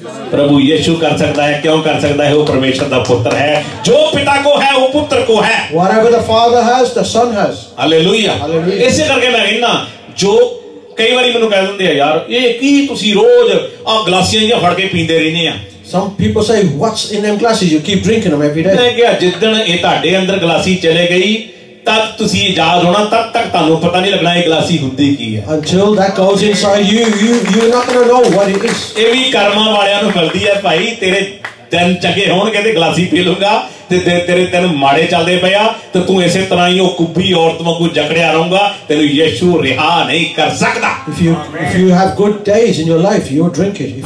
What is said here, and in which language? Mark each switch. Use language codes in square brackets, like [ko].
[pa] ਪ੍ਰਭੂ ਯੀਸ਼ੂ ਕਰ ਸਕਦਾ ਹੈ ਕਿਉਂ ਕਰ ਸਕਦਾ ਹੈ ਉਹ ਪਰਮੇਸ਼ਰ ਦਾ ਪੁੱਤਰ ਹੈ ਜੋ ਪਿਤਾ ਕੋ ਹੈ ਉਹ ਪੁੱਤਰ ਕੋ ਹੈ [en] whatever the father has the son has [pa] hallelujah ਇਸੇ ਕਰਕੇ ਮੈਂ ਕਹਿੰਦਾ ਜੋ ਕਈ ਵਾਰੀ ਮੈਨੂੰ ਕਹਿ ਦਿੰਦੇ ਆ ਯਾਰ ਇਹ ਕੀ ਤੁਸੀਂ ਰੋਜ਼ ਆ ਗਲਾਸੀਆਂ ਜਿਹਾ ਫੜ ਕੇ ਪੀਂਦੇ ਰਹਿੰਦੇ ਆ [en] some people say what's in them glasses you keep drinking them every day [pa] ਮੈਂ ਕਿਹਾ ਜਿਸ ਦਿਨ ਇਹ ਤੁਹਾਡੇ ਅੰਦਰ ਗਲਾਸੀ ਚਲੇ ਗਈ ਤਦ ਤੁਸੀਂ ਇਜਾਜ਼ ਹੋਣਾ ਤਦ ਤੱਕ ਤੁਹਾਨੂੰ ਪਤਾ ਨਹੀਂ ਲੱਗਣਾ ਇਹ ਗਲਾਸੀ ਹੁੰਦੀ ਕੀ ਹੈ [en] until that goes inside you you're not going to know what it is [pa] ਇਹ ਵੀ ਕਰਮਾਂ ਵਾਲਿਆਂ ਨੂੰ ਮਿਲਦੀ ਹੈ ਭਾਈ ਤੇਰੇ ਦਿਨ ਚੰਗੇ ਹੋਣਗੇ ਤੇ ਗਲਾਸੀ ਪੀ ਲੂੰਗਾ ਤੇਰੇ ਤੈਨੂੰ ਮਾੜੇ ਚੱਲਦੇ ਪਿਆ ਤੇ ਤੂੰ ਇਸੇ ਤਰ੍ਹਾਂ ਹੀ ਉਹ ਕੁੱਬੀ ਔਰਤ ਵਾਂਗੂ ਜਕੜਿਆ ਰਹੂੰਗਾ ਤੈਨੂੰ ਯਿਸੂ ਰਿਹਾ ਨਹੀਂ ਕਰ ਸਕਦਾ [en] if you have good days in your life you drink it